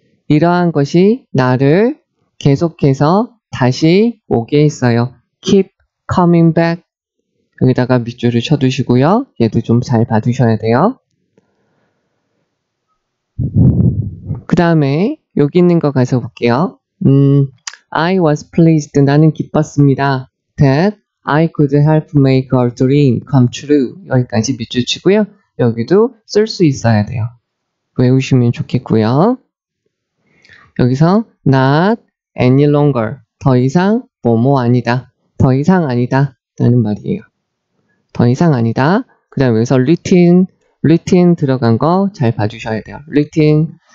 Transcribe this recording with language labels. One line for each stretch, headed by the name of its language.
Korean: 이러한 것이 나를 계속해서 다시 오게 했어요.
English: keep coming back.
Korean: 여기다가 밑줄을 쳐두시고요. 얘도 좀잘 봐두셔야 돼요. 그 다음에 여기 있는 거 가서 볼게요.
English: I was pleased.
Korean: 나는 기뻤습니다.
English: That I could help make her dream come true.
Korean: 여기까지 밑줄 치고요. 여기도 쓸수 있어야 돼요. 외우시면 좋겠고요. 여기서
English: not any longer.
Korean: 더 이상 뭐뭐 아니다. 더 이상 아니다. 라는 말이에요. 더 이상 아니다. 그 다음에 여기서 written 들어간 거잘 봐주셔야 돼요. written.